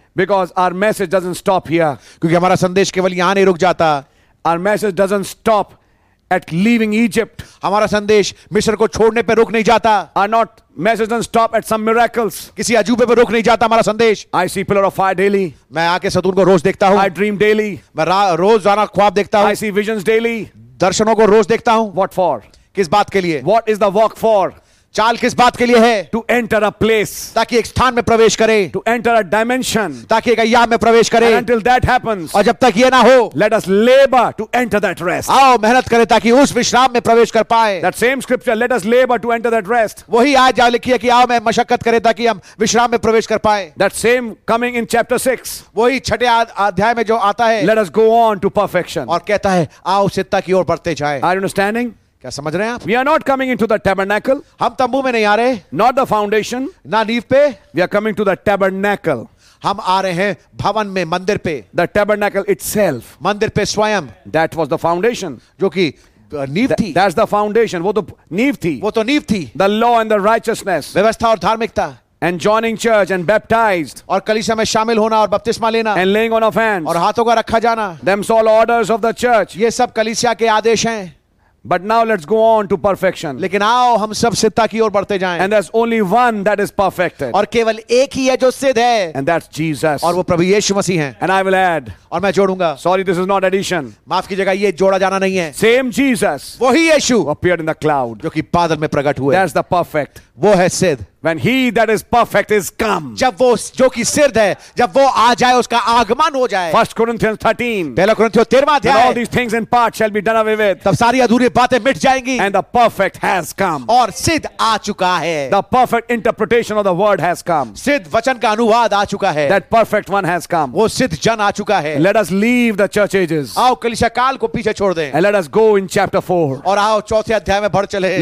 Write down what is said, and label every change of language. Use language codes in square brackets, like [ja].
[en] Because our message doesn't stop here. [hi] क्योंकि हमारा संदेश केवल यहाँ नहीं रुक जाता. [en] Our message doesn't stop at leaving Egypt. [hi] हमारा संदेश मिस्र को छोड़ने पे रुक नहीं जाता. [en] Message doesn't stop at some miracles. [hi] किसी अजूबे पे रुक नहीं जाता हमारा संदेश. [en] I see pillar of fire daily. [hi] मैं आके सतून को रोज देखता हूँ. [en] I dream daily. [hi] मैं रोज जाना ख्वाब देखता हूँ. [en] I see visions daily. [hi] दर्शनों को रोज देखता हूँ. [en] What for? [hi] किस बात के लिए? [en] What is the walk for? [hi] चाल किस बात के लिए है? [en] To enter a place. [hi] ताकि एक स्थान में प्रवेश करे. [en] To enter a dimension. [hi] ताकि एक अय्याम में प्रवेश करे. [en] And until that happens. [hi] और जब तक ये ना हो. [en] Let us labor to enter that rest. [hi] आओ मेहनत करें ताकि उस विश्राम में प्रवेश कर पाए. [en] That same scripture, let us labor to enter that rest. [hi] वही आज जा लिखी है कि आओ मैं मशक्कत करें ताकि हम विश्राम में प्रवेश कर पाए. [en] That same coming in chapter 6. [hi] वही छठे अध्याय में जो आता है. [en] Let us go on to perfection. [hi] और कहता है आओ सिद्धता की ओर बढ़ते जाए. [en] Are you understanding? [hi] क्या समझ रहे हैं आप? [en] We are not coming into the tabernacle. [hi] हम तंबू में नहीं आ रहे. [en] Not the foundation. [hi] ना नींव पे. [en] We are coming to the tabernacle. [hi] हम आ रहे हैं भवन में, मंदिर पे. [en] The tabernacle itself. [hi] मंदिर पे स्वयं. [en] That was the foundation. [hi] जो कि नींव थी. [en] That's the foundation. [hi] वो तो नींव थी. वो तो नींव थी. [en] The law and the righteousness. [hi] व्यवस्था और धार्मिकता. [en] And joining church and baptized. [hi] और कलीसिया में शामिल होना और बपतिस्मा लेना. [en] And laying on of hands. [hi] और हाथों का रखा जाना. [en] Them's all orders of the church. [hi] ये सब कलीसिया के आदेश हैं. [en] But now let's go on to perfection. [hi] लेकिन आओ हम सब सिद्धता की ओर बढ़ते जाएं. [en] And there's only one that is perfected. [hi] और केवल एक ही है जो सिद्ध है. [en] And that's Jesus. [hi] और वो प्रभु यीशु मसीह हैं. [en] And I will add. [hi] और मैं जोड़ूंगा. [en] Sorry, this is not addition. [hi] माफ कीजिएगा, ये जोड़ा जाना नहीं है. [en] Same Jesus. [hi] वही यीशु. [en] Appeared in the cloud. [hi] जो कि बादल में प्रकट हुए. [en] That's the perfect. [hi] वो है सिद्ध. [en] When he that is perfect is come. [hi] जब वो जो कि सिद्ध है, जब वो आ जाए, उसका आगमन हो जाए. [en] 1 Corinthians 13. [hi] पहला कुरिन्थियों 13वां अध्याय. [en] All these things in part shall be done away with. [hi] तब सारी अधूरी बातें मिट जाएंगी. [en] And the perfect has come. [hi] और सिद्ध आ चुका है. [en] The perfect interpretation of the word has come. [hi] सिद्ध वचन का अनुवाद आ चुका है. [en] That perfect one has come. [hi] वो सिद्ध जन आ चुका है. [en] Let us leave the church ages. [hi] आओ कलीसिया काल को पीछे छोड़ दें. [en] And let us go in chapter 4. [hi] और आओ चौथे अध्याय में बढ़ चले.